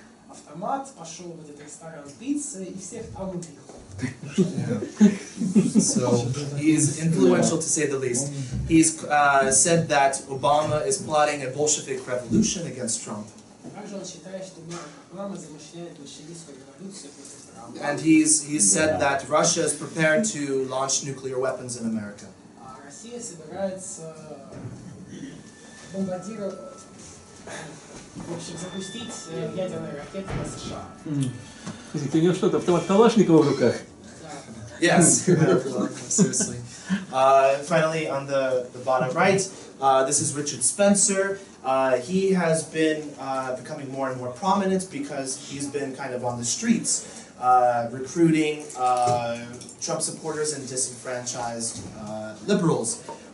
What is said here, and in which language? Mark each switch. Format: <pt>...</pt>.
<ru>Автомат пошел в этот ресторан пиццы и всех там убил.</ru> <en>So he is influential to say the least. He's said that Obama is plotting a Bolshevik revolution against Trump.</en> <ru>Также он считает, что Обама замышляет большевистскую революцию против Трампа.</ru> <en>And he's said that Russia is prepared to launch nuclear weapons in America.</en> <ru>Россия собирается бомбардировать. В общем, запустить ядерные ракеты на США. Ты не что-то автомат в руках? Да.</ru> <en>Yes. Seriously. Finally, on the bottom right, this is Richard Spencer. He has been becoming more and more prominent because he's been kind of on the streets, recruiting Trump supporters and disenfranchised liberals.</en>